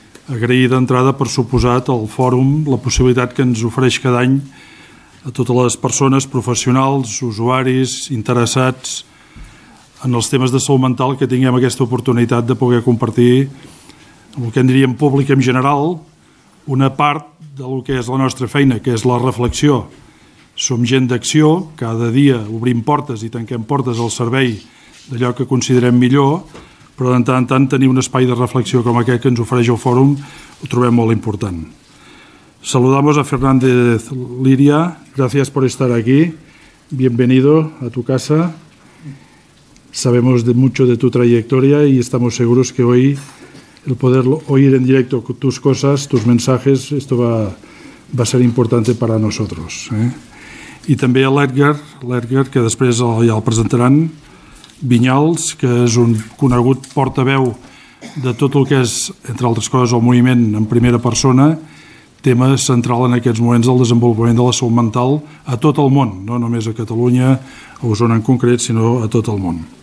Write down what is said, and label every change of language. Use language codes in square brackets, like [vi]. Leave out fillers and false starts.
[ca] Agrair d'entrada, per suposat, al Fòrum la possibilitat que ens ofereix cada any a totes les persones, professionals, usuaris, interessats en els temes de salut mental, que tinguem aquesta oportunitat de poder compartir el que en diríem públic en general, una part del que és la nostra feina, que és la reflexió. Som gent d'acció, cada dia obrim portes i tanquem portes al servei d'allò que considerem millor, però de tant en tant tenir un espai de reflexió com aquest que ens ofereix el Fòrum ho trobem molt important. [es] Saludamos a Fernández Liria, gracias por estar aquí, bienvenido a tu casa. Sabemos de mucho de tu trayectoria y estamos seguros que hoy el poder oír en directo tus cosas, tus mensajes, esto va a ser importante para nosotros. ¿Eh? Y también a l'Edgar, que después ya el presentarán, [ca] Vinyals, que és un conegut portaveu de tot el que és, entre altres coses, el moviment en primera persona, tema central en aquests moments del desenvolupament de la salut mental a tot el món, no només a Catalunya, a Osona en concret, sinó a tot el món.